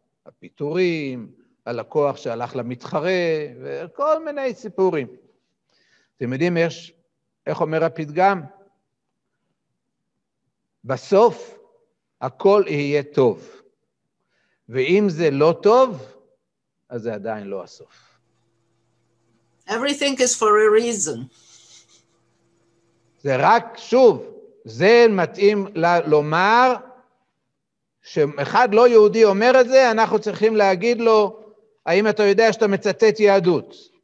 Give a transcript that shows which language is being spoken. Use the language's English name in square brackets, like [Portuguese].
[Hebrew] הפיתורים, הלקוח שהלך למתחרה, וכל מיני סיפורים. אתם יודעים איך אומר הפתגם? בסוף הכל יהיה טוב. ואם זה לא טוב, אז זה עדיין לא הסוף. [English] Everything is for a reason. [Hebrew] זה רק, שוב, זה מתאים לומר, שאחד לא יהודי אומר את זה, אנחנו צריכים להגיד לו, האם אתה יודע שאתה מצטט יהדות?